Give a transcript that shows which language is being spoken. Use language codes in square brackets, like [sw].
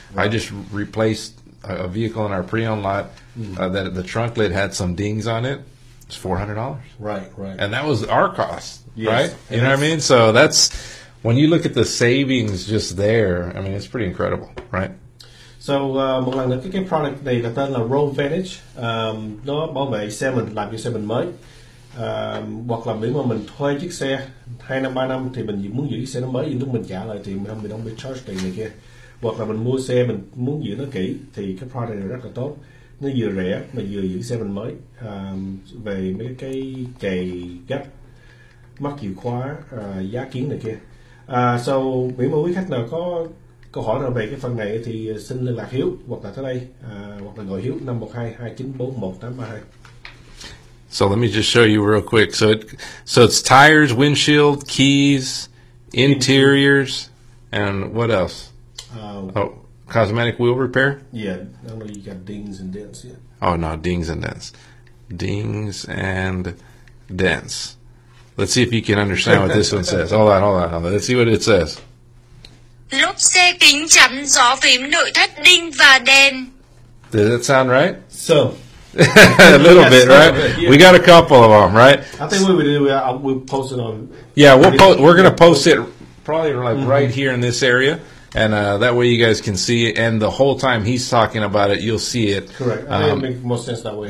[en] Right. I just replaced a vehicle in our pre-owned lot that the trunk lid had some dings on it. It's $400. Right. And that was our cost. Yes. Right, you know what I mean? So that's when you look at the savings just there. I mean, it's pretty incredible, right? [vi] So một lần nữa, cái product này là tên là Road Vantage. Nó bảo vệ xe mình, làm cho xe mình mới. Hoặc là nếu mà mình thuê chiếc xe 2 năm 3 năm thì mình muốn giữ xe nó mới, thì lúc mình trả lại thì mình không bị charge tiền này kia. Hoặc là mình mua xe mình muốn giữ nó kỹ thì cái product này rất là tốt. Nó vừa rẻ mà vừa giữ xe mình mới. Về mấy cái chày gắt, mắc chìa khóa, giá kiến này kia. So, nếu mà quý khách nào có câu hỏi nào về cái phần này thì xin liên lạc Hiếu hoặc là tới đây, hoặc là gọi Hiếu 512-294-1832. [en] So let me just show you real quick. So it's tires, windshield, keys, interiors, and what else? Cosmetic wheel repair? Yeah, I don't know, you got dings and dents, yeah. Oh, no, dings and dents. Dings and dents. Let's see if you can understand what this one says. Hold on. Let's see what it says. [vi] Lốp xe kính chắn gió phím nội thất đinh và đèn. [en] Does that sound right? So, a little bit, right? Yeah. We got a couple of them, right? I think what we do, we'll post it on. Yeah, we're going to post it probably like mm-hmm. right here in this area. And that way you guys can see it. And the whole time he's talking about it, you'll see it. Correct. It'll make more sense that way.